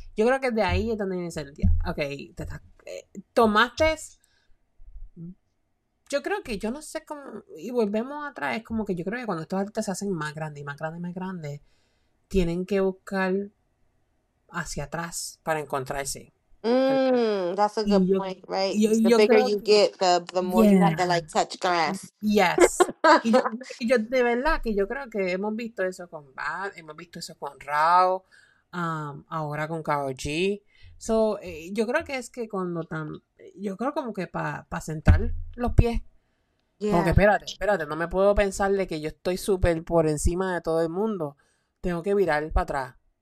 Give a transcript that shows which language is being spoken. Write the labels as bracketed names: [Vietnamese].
[Spanish] Yo creo que de ahí es donde viene el día. Ok, tomaste... Yo creo que, yo no sé cómo, y volvemos atrás, es como que yo creo que cuando estos artistas se hacen más grandes, y más grandes, tienen que buscar hacia atrás para encontrarse. [English] That's a good point, right? The bigger you get, the more you have to touch grass. Yes. [Spanish] y yo, de verdad, que yo creo que hemos visto eso con Bad, hemos visto eso con Rao, ahora con Karol G. So, yo creo que es que cuando tan... Yo creo como que para sentar los pies. Yeah. Como que espérate, no me puedo pensar de que yo estoy súper por encima de todo el mundo. Tengo que virar para atrás.